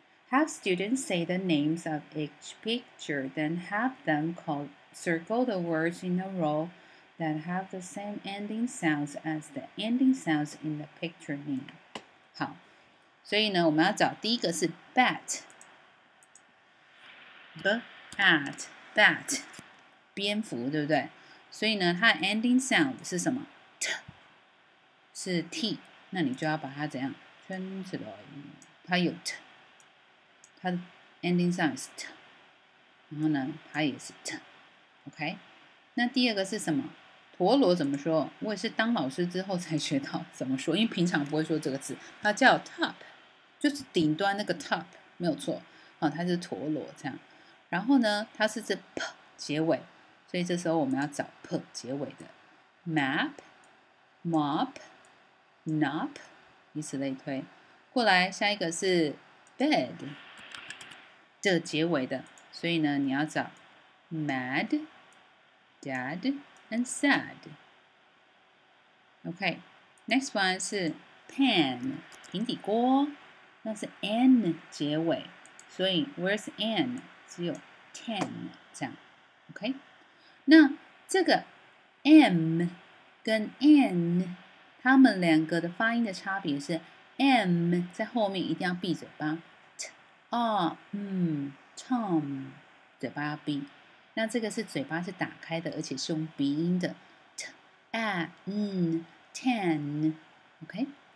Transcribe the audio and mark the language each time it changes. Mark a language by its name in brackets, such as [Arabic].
[English] Have students say the names of each picture, then have them circle the words in a row that have the same ending sounds as the ending sounds in the picture name. [Chinese] 好，所以呢，我们要找第一个是 bat， bat， bat， 蝙蝠，对不对？所以呢，它 ending sound 是什么 ？t， 是 t， 那你就要把它怎样圈起来？它有 t。它的 ending sound 是 t， 然后呢，它也是 t， OK。那第二个是什么？陀螺怎么说？我也是当老师之后才学到怎么说，因为平常不会说这个字。它叫 top， 就是顶端那个 top， 没有错。好、哦，它是陀螺这样。然后呢，它是这 p 结尾，所以这时候我们要找 p 结尾的 map、mop、knob， 以此类推。过来，下一个是 bed。这结尾的，所以呢，你要找 mad, dad, and sad. OK, next one 是 pan 平底锅，那是 n 结尾，所以 where's n 只有 ten 这样。 OK, 那这个 m 跟 n 它们两个的发音的差别是 m 在后面一定要闭嘴巴。哦，嗯 ，Tom， 嘴巴要闭，那这个是嘴巴是打开的，而且是用鼻音的 ，t a n ten，OK，、okay?